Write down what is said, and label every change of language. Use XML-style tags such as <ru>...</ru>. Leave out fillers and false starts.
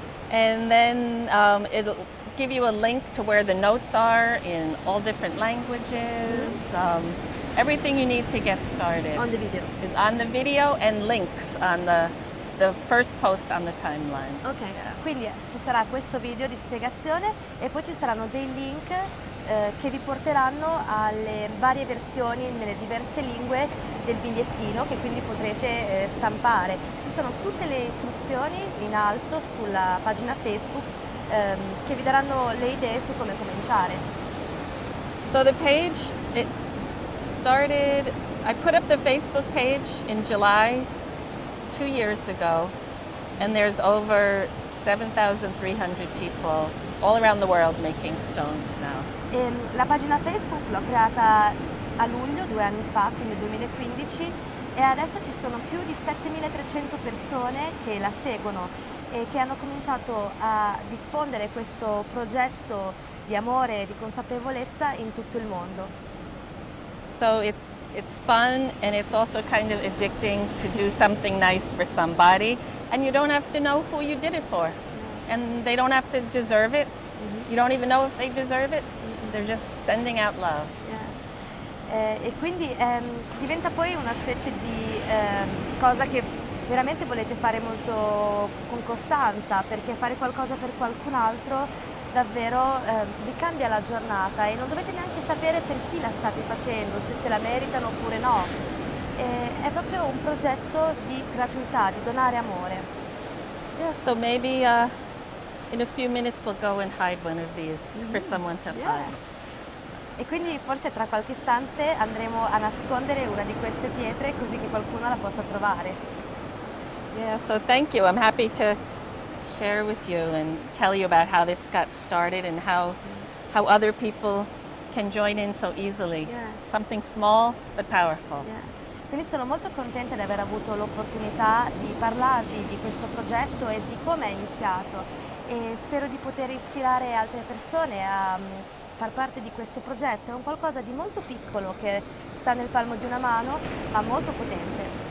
<en>And then give you a link to where the notes are in all different languages. Everything you need to get started on the video is on the video, and links on the first post on the timeline. Okay, yeah.</en> <it>Quindi ci sarà questo video di spiegazione e poi ci saranno dei link che vi porteranno alle varie versioni nelle diverse lingue del bigliettino, che quindi potrete stampare. Ci sono tutte le istruzioni in alto sulla pagina Facebook che vi daranno le idee su come cominciare.</it> <en>So the page, it started, I put up the Facebook page in July 2 years ago, and there's over 7,300 people all around the world making stones now.</en> <it>E la pagina Facebook l'ho creata a luglio, 2 anni fa, quindi 2015, e adesso ci sono più di 7,300 persone che la seguono e che hanno cominciato a diffondere questo progetto di amore e di consapevolezza in tutto il mondo.</it> <en>So it's fun, and it's also kind of addicting to do something nice for somebody, and you don't have to know who you did it for, and they don't have to deserve it. You don't even know if they deserve it. They're just sending out love.</en> <it>E quindi diventa poi una specie di cosa che veramente volete fare molto con costanza, perché fare qualcosa per qualcun altro davvero vi cambia la giornata, e non dovete neanche sapere per chi la state facendo, se la meritano oppure no. È proprio un progetto di gratuità, di donare amore.</it> <en>Yeah, so maybe in a few minutes we'll go and hide one of these for someone to find.</en> <it>E quindi forse tra qualche istante andremo a nascondere una di queste pietre così che qualcuno la possa trovare.</it> <en>Yeah, so thank you. I'm happy to share with you and tell you about how this got started and how other people can join in so easily. Yeah. Something small but powerful. Yeah.</en> <it>Quindi sono molto contenta di aver avuto l'opportunità di parlarvi di questo progetto e di come è iniziato, e spero di poter ispirare altre persone a far parte di questo progetto. È un qualcosa di molto piccolo che sta nel palmo di una mano, ma molto potente.</it>